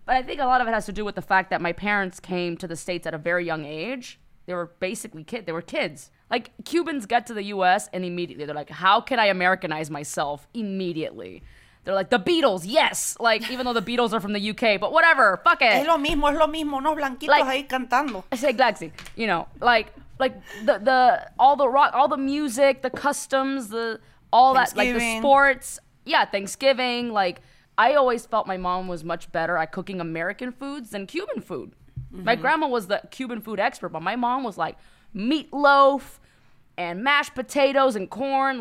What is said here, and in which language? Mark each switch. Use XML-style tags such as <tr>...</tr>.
<en>But I think a lot of it has to do with the fact that my parents came to the States at a very young age. They were basically kids. They were kids. Like, Cubans get to the U.S. and immediately they're like, how can I Americanize myself immediately? They're like, the Beatles, yes. Like, even though the Beatles are from the UK, but whatever, fuck it.</en> <es>Es lo mismo, unos blanquitos</es> <en>like,</en> <es>ahí cantando.</es> <en>Exactly. You know, like the all the rock, all the music, the customs, the all that, like the sports. Yeah, Thanksgiving. Like, I always felt my mom was much better at cooking American foods than Cuban food. Mm-hmm. My grandma was the Cuban food expert, but my mom was like meatloaf and mashed potatoes and corn.</en>